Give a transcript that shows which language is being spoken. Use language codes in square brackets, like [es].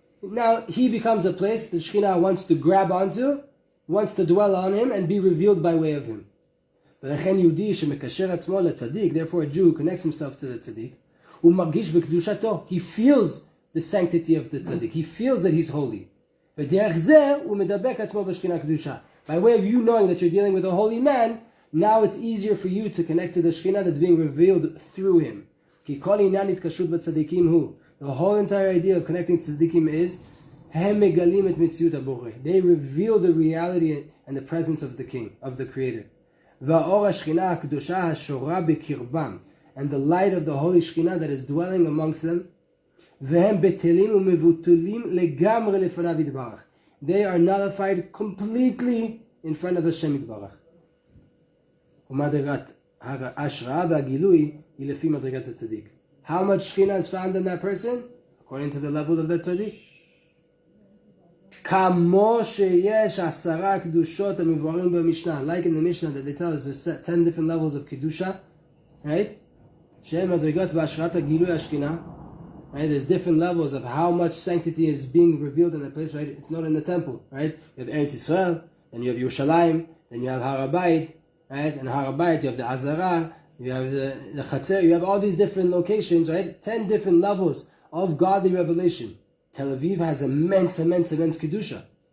[en] Now, he becomes a place the Shekhinah wants to grab onto, wants to dwell on him and be revealed by way of him. [he] ולכן יהודי שמקשר עצמו לצדיק, [en] therefore a Jew connects himself to the tzaddik, [he] הוא מרגיש בקדושתו, [en] he feels the sanctity of the tzaddik, he feels that he's holy. [he] ודרך זה הוא מדבק עצמו בשכינה קדושה. [en] By way of you knowing that you're dealing with a holy man, now it's easier for you to connect to the Shekhinah that's being revealed through him. [he] Ki kol inyan itkashrut b'tzadikim hu. [en] The whole entire idea of connecting tzadikim is [he] hem megalim et mitziut ha-borei. [en] They reveal the reality and the presence of the King, of the Creator. [he] Va'or ha-Shekhinah ha-kdusha ha-shorah b'kirbam. [en] And the light of the Holy Shekhinah that is dwelling amongst them. [he] Ve'hem betelim u'mevutulim legamre lefanav yitbarach. [en] They are nullified completely in front of Hashem yitbarach. [he] ומדרגת ההשראה והגילוי היא לפי מדרגת הצדיק. [en] How much Shekhinah is found in that person? According to the level of the tzaddik. [he] כמו שיש עשרה קדושות המבוארים במשנה. [en] Like in the Mishnah that they tell us there's 10 different levels of Kedusha. Right? [he] שהן מדרגות בהשראת הגילוי השכינה. [en] Right? There's different levels of how much sanctity is being revealed in the place. Right? It's not in the temple. Right? You have Eretz Yisrael. Then you have Yerushalayim. Then you have Har HaBayit. Right, and Har HaBayit, you have the Azara, you have the Chatzer, you have all these different locations, right? 10 different levels of godly revelation. Tel Aviv has immense, immense, immense Kedusha.